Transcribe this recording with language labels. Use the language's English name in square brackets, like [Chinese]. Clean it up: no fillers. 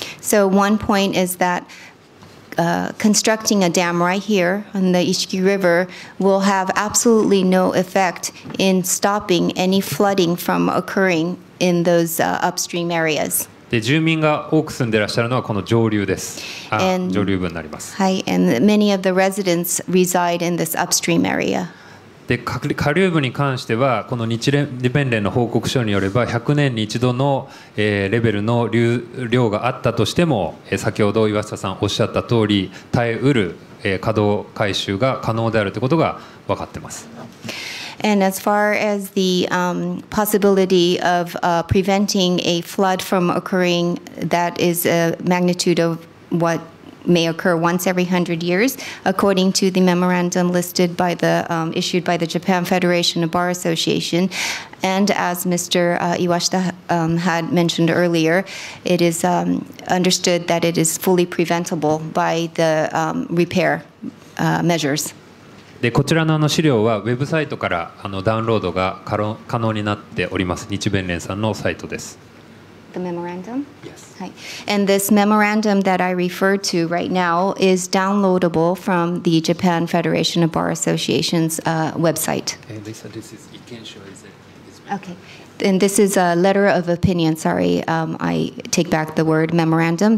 [English] So one point is that constructing a dam right here on the Ishiki River will have absolutely no effect in stopping any flooding from occurring in those upstream areas. [Japanese] で、住民が多く住んでいらっしゃるのはこの上流です。上流部になります。 [English] はい、and many of the residents reside in this upstream area. [Japanese] で、下流部に関してはこの日弁連の報告書によれば100年に一度のレベルの流量があったとしても先ほど岩下さんおっしゃった通り耐えうる稼働改修が可能であるということが分かってます。 [English] And as far as the possibility of preventing a flood from occurring that is a magnitude of whatmay occur once every 100 years, according to the memorandum listed by the, issued by the Japan Federation of Bar Association. And as Mr. Iwashita had mentioned earlier, it is understood that it is fully preventable by the repair measures. [Japanese] でこちらの資料はウェブサイトからダウンロードが可能になっております。日弁連さんのサイトです。 [English] The memorandum? Yes. And this memorandum that I refer to right now is downloadable from the Japan Federation of Bar Associations website. Okay, Lisa, this is Ikensho, is it? Okay. And this is a letter of opinion. Sorry, I take back the word memorandum.